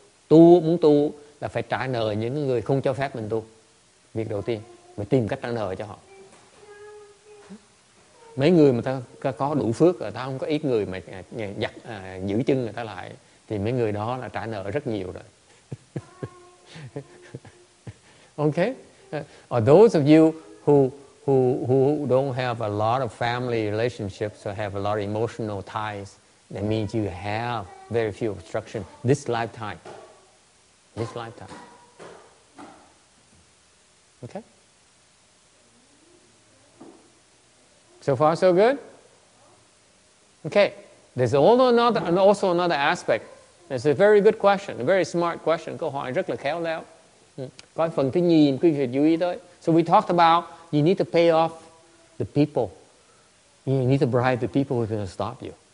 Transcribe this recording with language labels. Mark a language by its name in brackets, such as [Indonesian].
[Vietnamese] Tu, muốn tu là phải trả nợ những người không cho phép mình tu. Việc đầu tiên, mình tìm cách trả nợ cho họ. Mấy người mà ta có đủ phước, rồi ta không có ít người mà giữ chân người ta lại, thì mấy người đó là trả nợ rất nhiều rồi. [English] Ok? Or those of you who don't have a lot of family relationships or have a lot of emotional ties, that means you have very few obstruction this lifetime. Okay? So far, so good? Okay. There's also another aspect. It's a very good question, a very smart question. [Vietnamese] Câu hỏi rất là khéo léo. Có phần thứ nhì, quý vị chú ý tới. [English] So we talked about you need to pay off the people. You need to bribe the people who are going to stop you.